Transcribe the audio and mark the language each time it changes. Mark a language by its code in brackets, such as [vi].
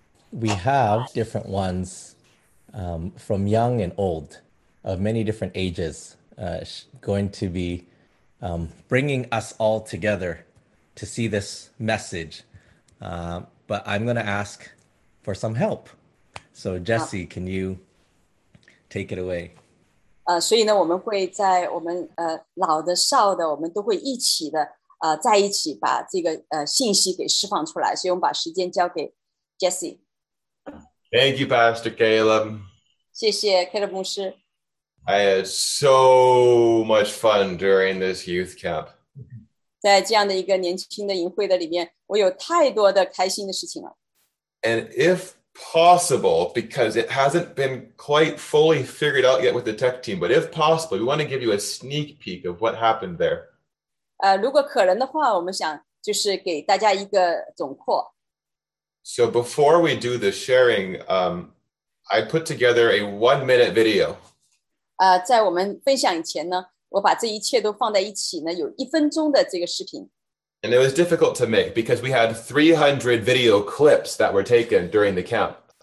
[en] We have different ones from young and old, of many different ages, going to be bringing us all together to see this message. But I'm going to ask for some help. So Jesse, can you take it away? [zh] 所以呢，我们会在我们老的、少的，我们都会一起的。在一起把这个信息给释放出来，所以我们把时间交给Jesse。 [en] Thank you, Pastor Caleb. [zh] 谢谢Caleb牧师。 [en] I had so much fun during this youth camp. [zh] 在这样的一个年轻的营会的里面,我有太多的开心的事情了。 [en] And if possible, because it hasn't been quite fully figured out yet with the tech team, but if possible, we want to give you a sneak peek of what happened there. [zh] 如果可能的话，我们想就是给大家一个总括。 [en] So before we do the sharing, I put together a 1 minute video. [zh] 在我们分享以前呢，我把这一切都放在一起呢，有一分钟的这个视频。 [en] And it was difficult to make because we had 300 video clips that were taken during the camp.